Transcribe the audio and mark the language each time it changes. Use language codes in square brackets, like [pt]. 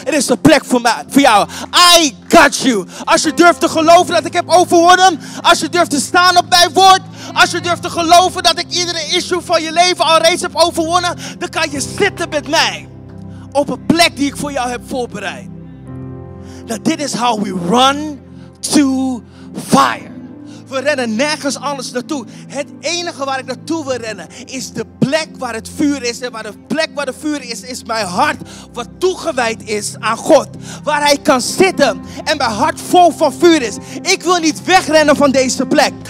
[nl] Er is een plek voor jou. [en] I got you. [nl] Als je durft te geloven dat ik heb overwonnen. Als je durft te staan op mijn woord. Als je durft te geloven dat ik iedere issue van je leven al reeds heb overwonnen. Dan kan je zitten met mij. Op een plek die ik voor jou heb voorbereid. [en] Now, this is how we run to fire. [nl] We rennen nergens anders naartoe. Het enige waar ik naartoe wil rennen is de plek waar het vuur is. En waar de plek waar het vuur is, is mijn hart wat toegewijd is aan God. Waar hij kan zitten en mijn hart vol van vuur is. Ik wil niet wegrennen van deze plek.